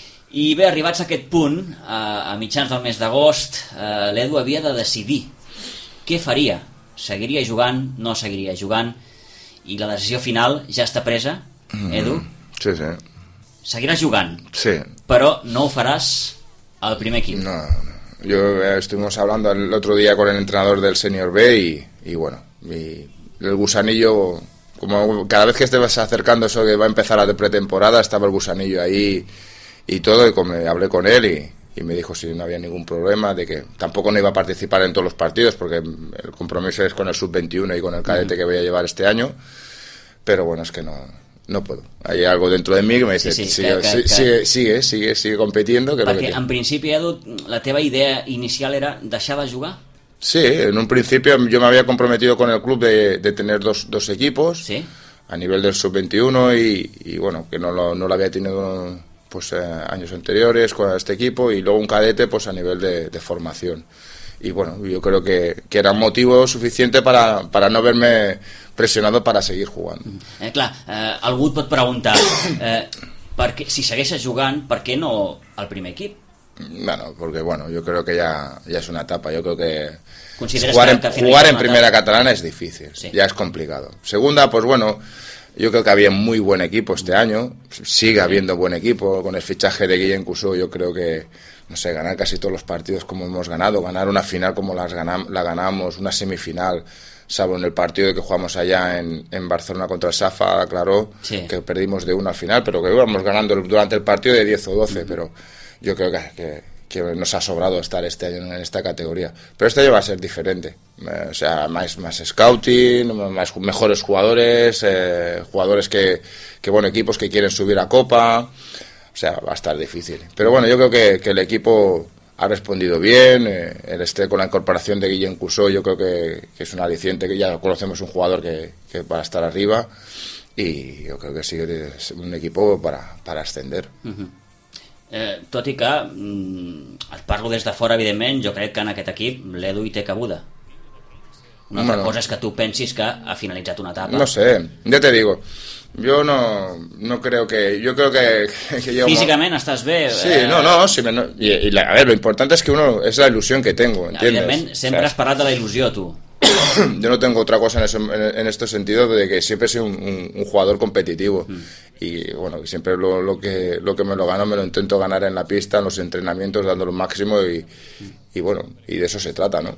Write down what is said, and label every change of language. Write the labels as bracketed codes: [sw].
[ca] I bé, arribats a aquest punt, a mitjans del mes d'agost, l'Edu havia de decidir què faria. Seguiria jugant, no seguiria jugant, i la decisió final ja està presa. Edu, sí, sí. Seguiràs jugant, sí, però no ho faràs al primer equip. [es] No, yo estuvimos hablando el otro día con el entrenador del Senior B y bueno, y el gusanillo, como cada vez que estés acercando eso que va a empezar la pretemporada, estaba el gusanillo ahí y todo, y hablé con él y me dijo si no había ningún problema, de que tampoco no iba a participar en todos los partidos, porque el compromiso es con el sub-21 y con el cadete que voy a llevar este año, pero bueno, es que no... No puedo. Hay algo dentro de mí que me dice, sigue compitiendo. Que perquè que [ca] en principi, Edu, la teva idea inicial era deixar de jugar? [es] Sí, en un principio yo me había comprometido con el club de tener dos equipos, ¿sí?, a nivel del sub-21 y bueno, que no lo había tenido pues años anteriores con este equipo, y luego un cadete pues a nivel de formación. Y bueno, yo creo que era motivo suficiente para no verme presionado para seguir jugando. [ca] Clar, algú et pot preguntar, perquè si segueixes jugant, per què no al primer equip? [es] Bueno, porque bueno, yo creo que ya es una etapa, yo creo que [ca] consideres [es] jugar en primera catalana es difícil, sí. Ya es complicado. Segunda, pues bueno, yo creo que había muy buen equipo este año, sigue habiendo buen equipo, con el fichaje de Guillem Cusó, yo creo que, no sé, ganar casi todos los partidos como hemos ganado, ganar una final como la ganamos, una semifinal, salvo en el partido que jugamos allá en Barcelona contra el Safa, aclaró, sí, que perdimos de 1 al final, pero que íbamos ganando durante el partido de 10 o 12, uh-huh, pero yo creo que nos ha sobrado estar este año en esta categoría. Pero este año va a ser diferente. O sea, más scouting, más mejores jugadores, jugadores que bueno, equipos que quieren subir a Copa. O sea, va a estar difícil. Pero bueno, yo creo que el equipo ha respondido bien. El este con la incorporación de Guillem Cusó, yo creo que es un aliciente, que ya conocemos un jugador que va a estar arriba. Y yo creo que sigue un equipo para ascender. Uh-huh. [ca] Tot i que et parlo des de fora, evidentment, jo crec que en aquest equip l'Edu hi té cabuda. Una altra cosa és que tu pensis que ha finalitzat una etapa. [es] No sé, ja te digo. Yo no creo que... Yo creo que yo [ca] físicament como... estàs bé. [es] Sí, no. Y a ver, lo importante es que uno... Es la ilusión que tengo, ¿entiendes? [ca] Evidentment, sempre, o sea, has parlat de la il·lusió, tu. [es] Yo no tengo otra cosa en este sentido de que siempre he sido un jugador competitivo. Y bueno, siempre lo que me lo gano me lo intento ganar en la pista, en los entrenamientos, dando lo máximo y bueno, y de eso se trata, ¿no?